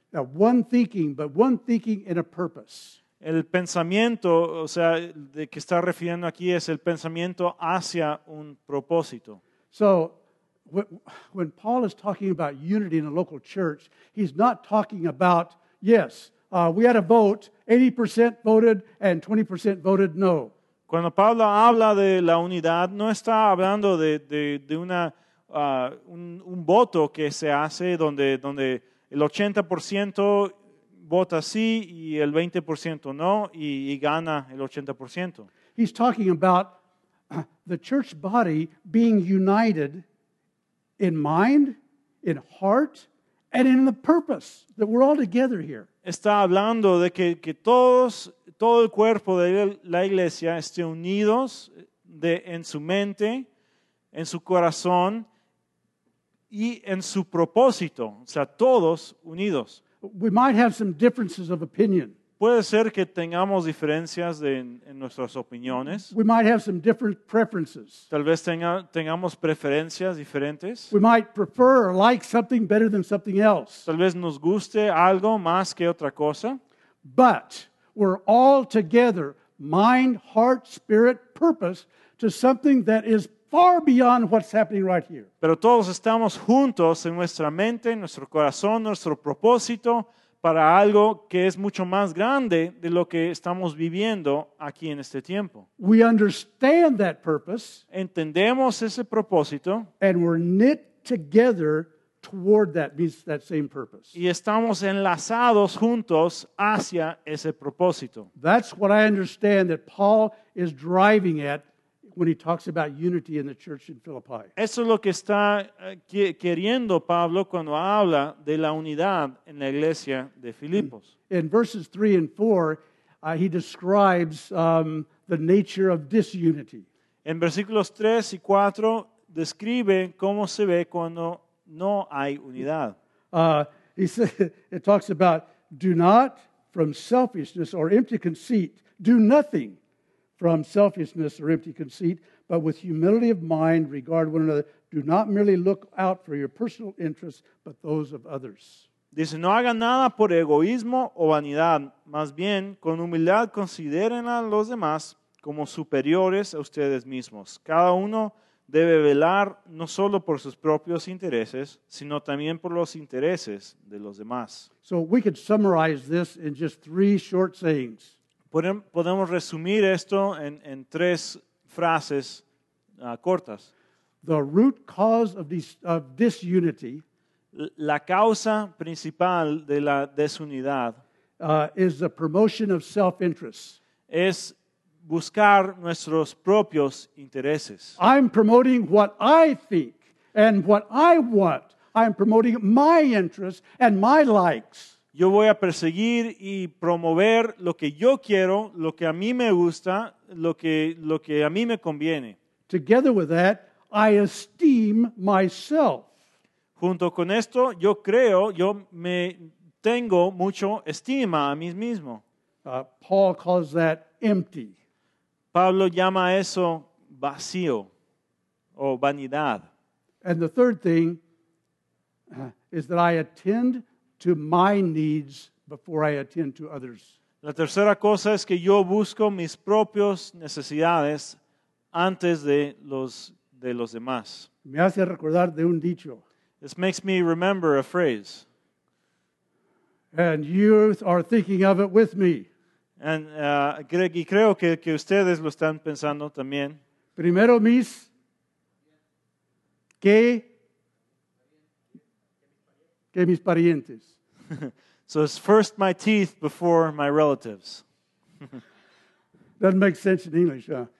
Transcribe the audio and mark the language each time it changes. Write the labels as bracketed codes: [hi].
[en] Now, one thinking, but one thinking in a purpose. [es] El pensamiento, o sea, de que está refiriendo aquí es el pensamiento hacia un propósito. [en] So, when Paul is talking about unity in a local church, he's not talking about, yes, we had a vote, 80% voted and 20% voted no. [es] Cuando Pablo habla de la unidad, no está hablando de una un voto que se hace donde el 80% vota sí y el 20% no y gana el 80%. [en] He's talking about the church body being united in mind, in heart, and in the purpose that we're all together here. [es] Está hablando de que todo el cuerpo de la iglesia esté unidos en su mente, en su corazón y en su propósito. O sea, todos unidos. [en] We might have some differences of opinion. [es] Puede ser que tengamos diferencias en nuestras opiniones. [en] We might have some different preferences. [es] Tal vez tengamos preferencias diferentes. [en] We might prefer or like something better than something else. [es] Tal vez nos guste algo más que otra cosa. [en] But we're all together, mind, heart, spirit, purpose, to something that is far beyond what's happening right here. [es] Pero todos estamos juntos en nuestra mente, en nuestro corazón, nuestro propósito para algo que es mucho más grande de lo que estamos viviendo aquí en este tiempo. [en] We understand that purpose. [es] Entendemos ese propósito. [en] And we're knit together toward that same purpose. [es] Y estamos enlazados juntos hacia ese propósito. [en] That's what I understand that Paul is driving at when he talks about unity in the church in Philippi. [es] Eso es lo que está queriendo Pablo cuando habla de la unidad en la iglesia de Filipos. [en] In verses 3 and 4, he describes the nature of disunity. [es] En versículos 3 y 4 describe cómo se ve cuando no hay unidad. [en] It talks about do not from selfishness or empty conceit, do nothing from selfishness or empty conceit, but with humility of mind regard one another. Do not merely look out for your personal interests, but those of others. [es] Dice, no hagan nada por egoísmo o vanidad, más bien con humildad consideren a los demás como superiores a ustedes mismos. Cada uno debe velar no solo por sus propios intereses, sino también por los intereses de los demás. [en] So we could summarize this in just three short sayings. [es] Podemos resumir esto en tres frases cortas. [en] The root cause of disunity, [es] la causa principal de la desunidad, [en] is the promotion of self-interest. [es] Es buscar nuestros propios intereses. [en] I'm promoting what I think and what I want. I'm promoting my interests and my likes. [es] Yo voy a perseguir y promover lo que yo quiero, lo que a mí me gusta, lo que a mí me conviene. [en] Together with that, I esteem myself. [es] Junto con esto, yo creo, yo me tengo mucho estima a mí mismo. [en] Paul calls that empty. [es] Pablo llama eso vacío o vanidad. [en] And the third thing is that I attend to my needs before I attend to others. [es] La tercera cosa es que yo busco mis propias necesidades antes de los demás. Me hace recordar de un dicho. [en] This makes me remember a phrase. And you are thinking of it with me. [es] Y creo que ustedes lo están pensando también. Primero mis que mis parientes. [en] So it's first my teeth before my relatives. Doesn't make sense in English, huh?